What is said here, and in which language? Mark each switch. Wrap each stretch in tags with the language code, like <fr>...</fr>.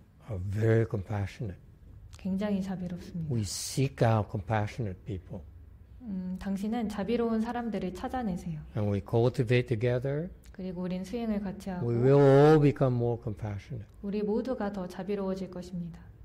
<en>Are very compassionate.</en> <ko>굉장히 자비롭습니다.</ko> <en>We seek out compassionate people.</en> <ko>당신은 자비로운 사람들을 찾아내세요.</ko> <en>And we cultivate together.</en> <ko>그리고 우린 수행을 같이 하고.</ko> <en>We will all become more compassionate.</en> <ko>우리 모두가 더 자비로워질 것입니다.</ko>